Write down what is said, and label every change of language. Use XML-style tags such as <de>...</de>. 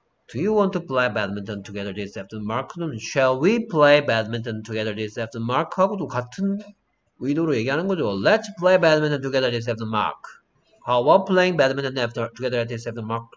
<en>Do you want to play badminton together this afternoon, Mark? Shall we play badminton together this afternoon, Mark?</en> <ko>하고도 같은 의도로 얘기하는 거죠.</ko> <en>Let's play badminton together this afternoon, Mark. How about playing badminton together this afternoon, Mark?</en>